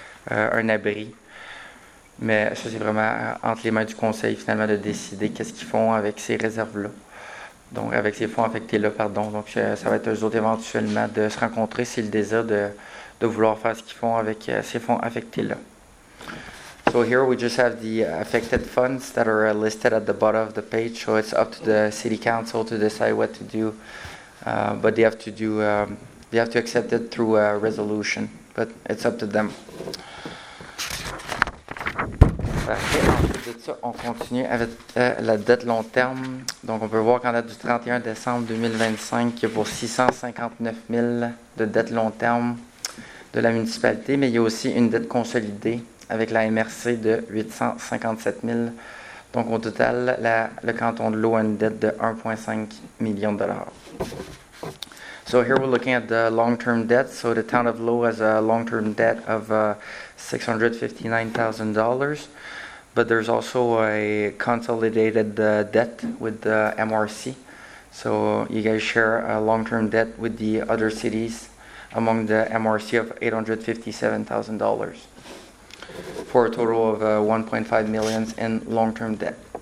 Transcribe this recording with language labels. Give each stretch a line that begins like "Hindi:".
French: Un abri, mais ça c'est vraiment entre les mains du conseil finalement de décider qu'est-ce qu'ils font avec ces réserves-là, donc avec ces fonds affectés-là, pardon, donc ça va être eux autres éventuellement de se rencontrer s'ils désirent de vouloir faire ce qu'ils font avec ces fonds affectés-là.
English: So here we just have the affected funds that are listed at the bottom of the page, so it's up to the city council to decide what to do, but they have to do, they have to accept it through a resolution. But it's up to them.
French: Parfait. Ensuite de ça, on continue avec la dette long terme. Donc, on peut voir qu'en date du 31 décembre 2025, il y a pour 659 000 de dette long terme de la municipalité, mais il y a aussi une dette consolidée avec la MRC de 857 000. Donc, au total, le canton de Lo a une dette de 1,5 million de dollars.
English: So here we're looking at the long-term debt. So the town of Lo has a long-term debt of $659,000, but there's also a consolidated debt with the MRC. So you guys share a long-term debt with the other cities among the MRC of $857,000 for a total of $1.5 million in long-term debt.